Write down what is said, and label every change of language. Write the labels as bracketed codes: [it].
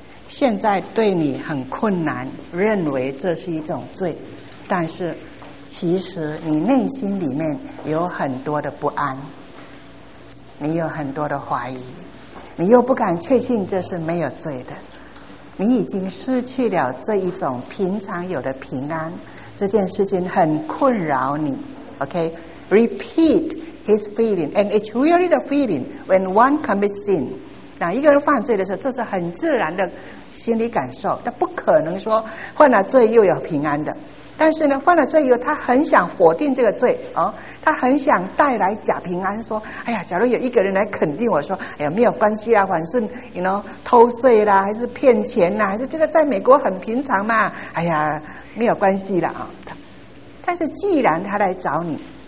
[zh] 现在对你很困难，认为这是一种罪，但是其实你内心里面有很多的不安，你有很多的怀疑，你又不敢确信这是没有罪的，你已经失去了这一种平常有的平安，这件事情很困扰你。 [en] OK， Repeat his feeling and it's really the feeling when one commits sin。 [zh] 那一个人犯罪的时候，这是很自然的心理感受，他不可能说犯了罪又有平安的，但是呢犯了罪以后他很想否定这个罪哦，他很想带来假平安，说哎呀，假如有一个人来肯定我说，哎呀没有关系啊，反正你呢偷税啦，还是骗钱啦，还是这个在美国很平常嘛，哎呀没有关系啦啊、哦、但是既然他来找你，